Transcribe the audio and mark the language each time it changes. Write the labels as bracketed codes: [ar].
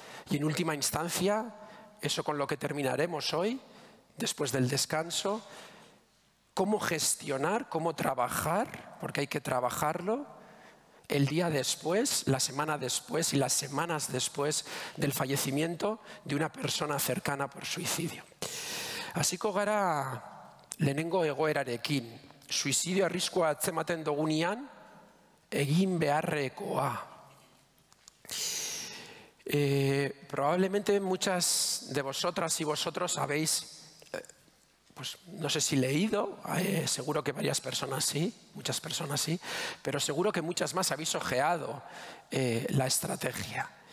[es] Y en última instancia, eso con lo que terminaremos hoy, después del descanso, cómo gestionar, cómo trabajar, porque hay que trabajarlo, el día después, la semana después y las semanas después del fallecimiento de una persona cercana por suicidio. [eu] Hasiko gara lehenengo egoerarekin. Suizidio arriskua atzematen dugunean, egin beharrekoa. [es] Probablemente muchas de vosotras y vosotros habéis, pues no sé si leído, seguro que varias personas sí, muchas personas sí, pero seguro que muchas más habéis ojeado la estrategia.